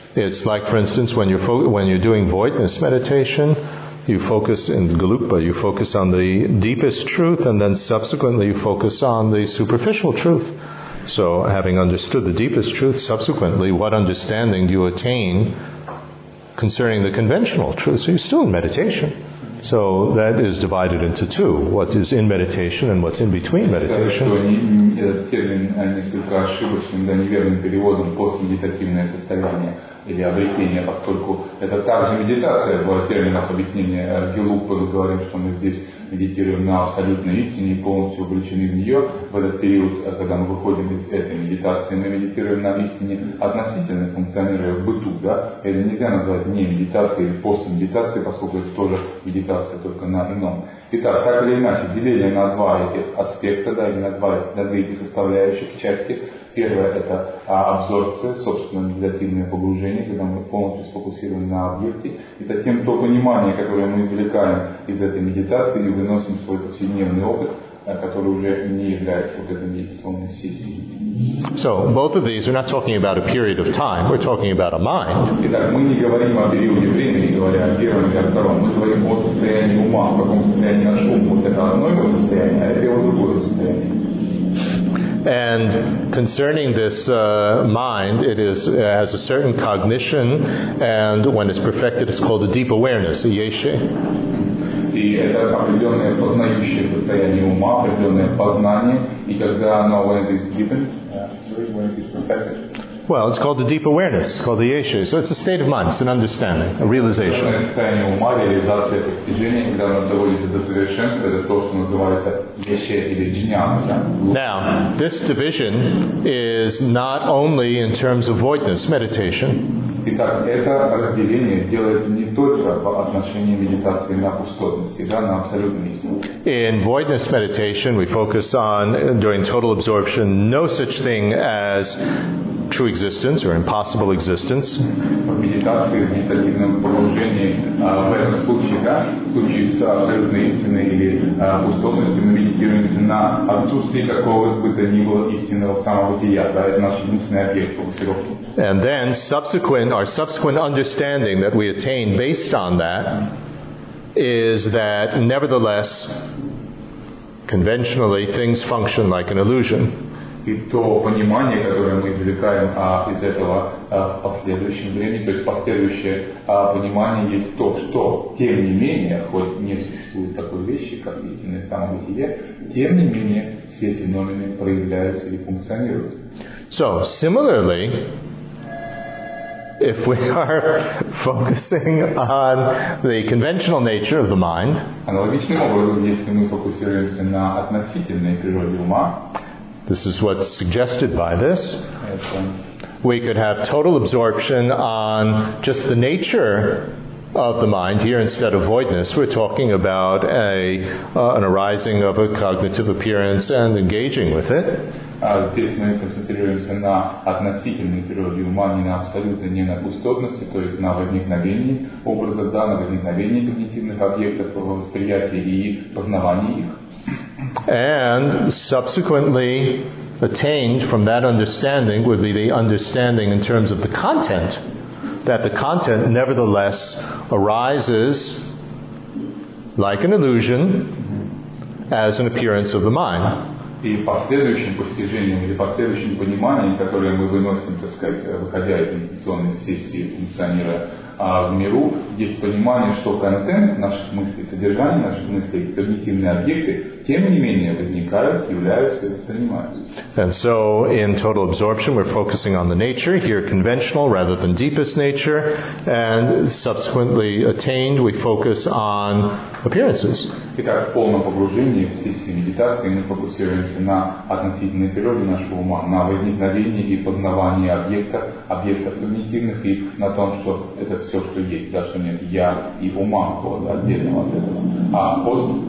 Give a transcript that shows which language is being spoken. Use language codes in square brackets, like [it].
[en] It's like, for instance, when you're doing voidness meditation, you focus in galupa, you focus on the deepest truth, and then subsequently you focus on the superficial truth. So having understood the deepest truth, subsequently what understanding do you attain concerning the conventional truth? So you're still in meditation. So that is divided into two. What is in meditation and what's in between meditation. [ru] Этот термин несколько ошибочным, да, неверным переводом постмедитативное состояние или обретение, поскольку это также медитация, было термином объяснения Гелупа, мы говорим, что мы здесь медитируем на абсолютной истине и полностью увлечены в нее, в этот период, когда мы выходим из этой медитации, мы медитируем на истине, относительно функционируя в быту, да, это нельзя назвать не медитацией или постмедитацией, поскольку это тоже медитация, только на ином. Итак, так или иначе, деление на два эти аспекта, да, или на две эти составляющих части. Первое – это абсорбция, собственно, медитативное погружение, когда мы полностью сфокусированы на объекте. И затем то понимание, которое мы извлекаем из этой медитации и выносим в свой повседневный опыт, который уже не является вот этой медитационной сессией. [en] So, both of these, we're not talking about a period of time, we're talking about a mind. [ru] Итак, мы не говорим о периоде времени, говоря о первом или о втором. Мы говорим о состоянии ума, в каком состоянии наш ум. Вот это одно его состояние, а это его другое состояние. [en] And concerning this mind, it is has a certain cognition, and when it's perfected, it's called a deep awareness, a yeshe. [ru] И это определенное познающее состояние ума, определенное познание, и когда оно [en] when it is deepened, when it is perfected. Well, it's called the deep awareness, it's called the yeshe. So it's a state of mind, it's an understanding, a realization. [ru] Это состояние ума, реализация постижения, когда оно доводится до совершенства, это то, что называется yeshe или джняна. [en] Now, this division is not only in terms of voidness, meditation. [ru] Итак, это разделение делается не только по отношению медитации на пустотности, да, на абсолютную истину. [en] In voidness meditation, we focus on, during total absorption, no such thing as true existence or impossible existence. [ru] В медитации, в медитативном погружении, в этом случае, да, в случае с абсолютной истиной или пустотностью, мы медитируемся на отсутствие какого-либо то ни было истинного самобытия, да, это наш единственный объект фокусировки. [en] And then our subsequent understanding that we attain based on that is that nevertheless, conventionally, things function like an illusion. [ru] И то понимание, которое мы извлекаем из этого в последующем времени, то есть последующее понимание есть то, что тем не менее, хоть не существует такой вещи, как истинное самобытие, тем не менее все феномены проявляются и функционируют. [en] So, similarly, if we are focusing on the conventional nature of the mind, [ru] аналогичным образом, если мы фокусируемся на относительной природе ума, [en] this is what's suggested by this, we could have total absorption on just the nature of the mind. Here, instead of voidness, we're talking about an arising of a cognitive appearance and engaging with it. [ru] Здесь мы концентрируемся на относительной природе ума, не на абсолютной, не на пустотности, то есть на возникновении образов, да, на возникновении когнитивных объектов, восприятии и познавании их. [en] And subsequently attained from that understanding would be the understanding in terms of the content, that the content nevertheless arises like an illusion as an appearance of the mind. [ru] И последующим постижением или последующим пониманием, которое мы выносим, так сказать, выходя из медитационной сессии функционера в миру, есть понимание, что контент, наши мысли, содержание наших мыслей, когнитивные объекты, тем не менее, возникают, являются и воспринимаются. [en] And so, in total absorption, we're focusing on the nature, here conventional rather than deepest nature, and subsequently attained, we focus on appearances. [ru] Итак, в полном погружении в сессии медитации мы фокусируемся на относительной природе нашего ума, на возникновении и познавании объекта, объектов когнитивных, и на том, что это все, что есть, да, что нет я и ума, вот, отдельного от этого.